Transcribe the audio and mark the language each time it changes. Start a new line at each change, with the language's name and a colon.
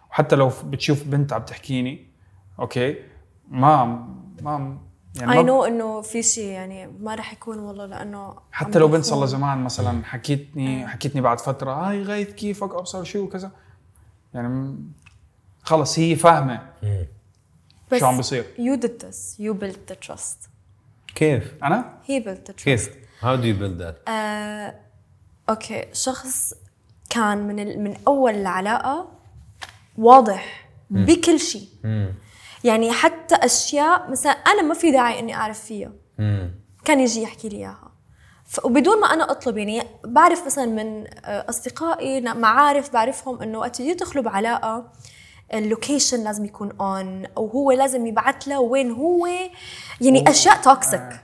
Arabic: وحتى لو بتشوف بنت عم تحكيني أوكي ما يعني
English: I know
Arabic: إنه في شيء يعني ما رح يكون والله، لأنه حتى لو بنت صار لها زمان مثلا حكيتني بعد فترة هاي غيث كيفك أبصر شو وكذا، يعني خلص هي فاهمة شو عم بصير.
English: You did this, you built the trust.
Arabic: كيف؟ أنا؟
English: He built the trust.
Arabic: كيف؟
English: How do you build that؟
Arabic: أوكي، شخص كان من أول العلاقة واضح بكل شيء. يعني حتى أشياء مثلا أنا ما في داعي إني أعرف فيها كان يجي يحكي لي إياها وبدون ما أنا أطلب. يعني بعرف مثلا من أصدقائي معارف بعرفهم إنه وقت يدخلوا بعلاقة اللوكيشن لازم يكون on، أو هو لازم يبعث له وين هو، يعني أشياء توكسيك.